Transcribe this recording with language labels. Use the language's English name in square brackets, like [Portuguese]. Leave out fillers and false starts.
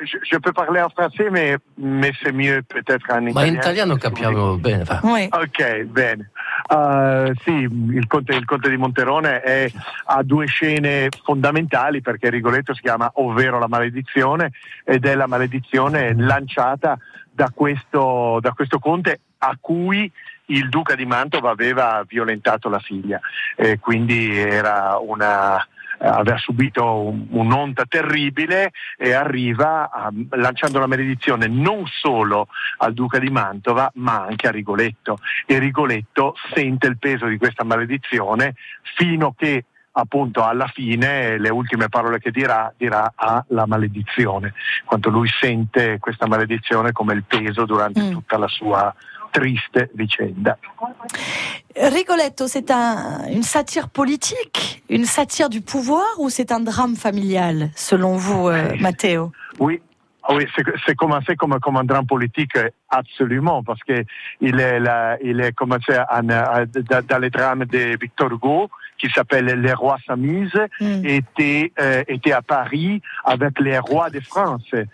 [French] Je peux parler en français, mais c'est mieux peut-être en italien. [Italian] Ma italiano capiamo bene. Va. [French] Oui. [Italian] Ok, bene. Sì, il conte di Monterone ha due scene fondamentali, perché Rigoletto si chiama Ovvero la maledizione, ed è la maledizione lanciata da questo conte a cui il duca di Mantova aveva violentato la figlia. Quindi era una... aveva subito un'onta terribile e arriva lanciando una maledizione non solo al duca di Mantova ma anche a Rigoletto, e Rigoletto sente il peso di questa maledizione fino che appunto alla fine le ultime parole che dirà ha la maledizione, quando lui sente questa maledizione come il peso durante tutta la sua triste vicenda. [French] Rigoletto, c'est une satire politique, une satire du pouvoir, ou c'est un drame familial, selon vous, Matteo? Oui. Oui, c'est comme un drame politique, absolument, parce que dans le drame de Victor Hugo, qui s'appelle Le Roi s'amuse, était à Paris avec les rois de France.